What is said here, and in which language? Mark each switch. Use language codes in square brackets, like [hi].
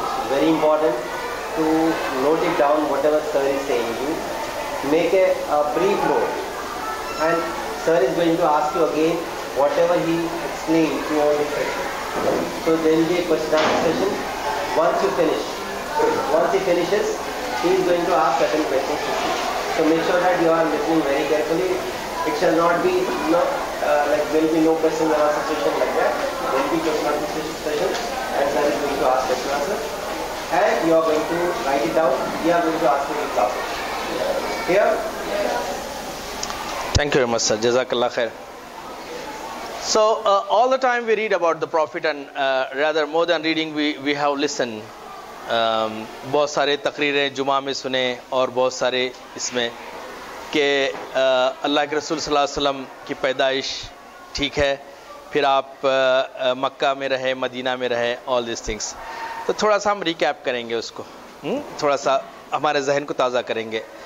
[en] Very important to note it down whatever sir is seeing you make a brief note and sir is going to ask you again whatever he explain to all the session so there will be a question answer session once you finish Once he finishes, he is going to ask certain questions. So make sure that you are listening very carefully. It shall not be, you know, like there will be no question and answer session like that. There will be question and answer session and sir is going to ask question and answer. And you are going to write it down. We are going to ask you the topic. Clear? Thank you very much, sir. Jazakallah khair. So all the time we read about the Prophet and rather more than reading, we have listened. [ur] بہت سارے تقریریں جمعہ میں سنیں اور بہت سارے اس میں کہ اللہ کے رسول صلی اللہ علیہ وسلم کی پیدائش ٹھیک ہے پھر آپ مکہ میں رہے مدینہ میں رہے [en] all these things [ur] تو تھوڑا سا ہم ریکیپ کریں گے اس کو تھوڑا سا ہمارے ذہن کو تازہ کریں گے